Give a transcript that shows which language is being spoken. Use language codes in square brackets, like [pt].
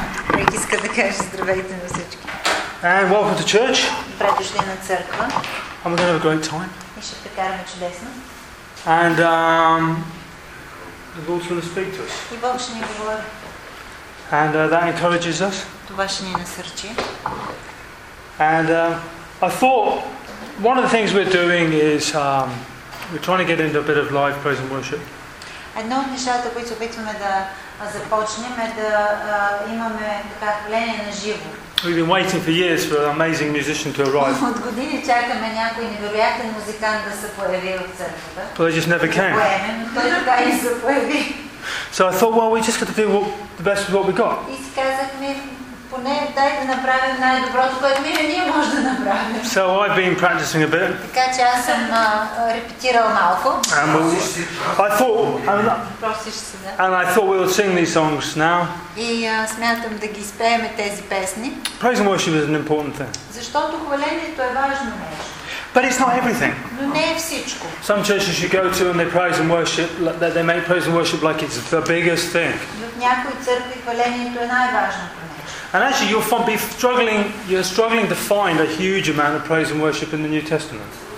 [bg] Рики иска да каже здравейте на всички. [en] And welcome to church. [bg] Добре дошли на църква. And [en] we're going to have a great time. [bg] И ще прекараме чудесно. [en] And the Lord's going to speak to us. [bg] И Бог ще ни говори. [en] And that encourages us. [bg] Това ще ни насърчи. [en] And I thought one of the things we're doing is we're trying to get into a bit of live praise and worship. [bg] Едно от нещата, които опитваме да започнем, е да имаме така хвалене на живо. [en] We've been waiting for years for an amazing musician to arrive. [bg] От години чакаме някой невероятен музикант да се появи в църквата. [en] But he just never came. [bg] Той така и се появи. [en] So I thought, well, we just got to do the best with what we got. [bg] И си казахме, поне дай да направим най-доброто, което ние може да направим. [en] So I've been practicing a bit. [bg] Така че аз съм репетирал малко. [en] And I thought we would sing these songs now. [bg] И смятам да ги спеем тези песни. [en] Praise and worship is an important thing. [bg] Защото хвалението е важно нещо. [en] But it's not everything. [bg] Но не е всичко. [en] Some churches you go to and they praise and worship, they make praise and worship like it's the biggest thing. [bg] Някои църкви хвалението е най-важното. [en] And actually, you're struggling to find a huge amount of praise and worship in the New Testament.